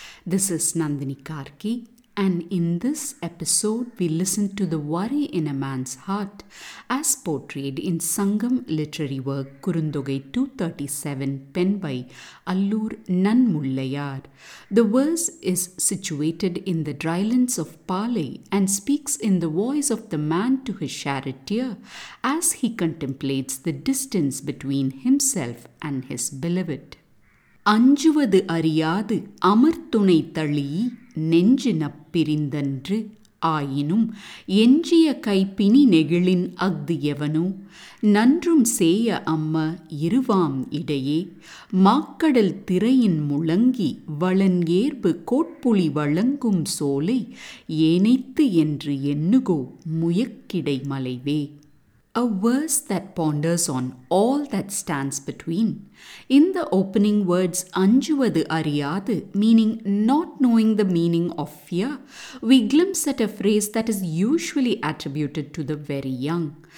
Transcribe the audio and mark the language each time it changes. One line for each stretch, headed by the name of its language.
English: This is Nandini Karki, and in this episode we listen to The Worry in a Man's Heart as portrayed in Sangam literary work Kurundogai 237 penned by Allur Nanmullayar. The verse is situated in the drylands of Palay and speaks in the voice of the man to his charioteer as he contemplates the distance between himself and his beloved.
Tamil: அஞ்சுவது அறியாது அமர்த்துணை தளி நெஞ்சு நப்பிரிந்தன்று ஆயினும் எஞ்சிய கைப்பினி நெகிழின் அஃது எவனோ நன்றும் சேய அம்ம இருவாம் இடையே மாக்கடல் திரையின் முழங்கி வளன் ஏற்பு கோட்புலி வழங்கும் சோலை ஏனைத்து என்று எண்ணுகோ முயக்கிடை மலைவே.
English: A verse that ponders on all that stands between. In the opening words,
Tamil: anjuvadu ariyadu,
English: meaning not knowing the meaning of fear, we glimpse at a phrase that is usually attributed to the very young.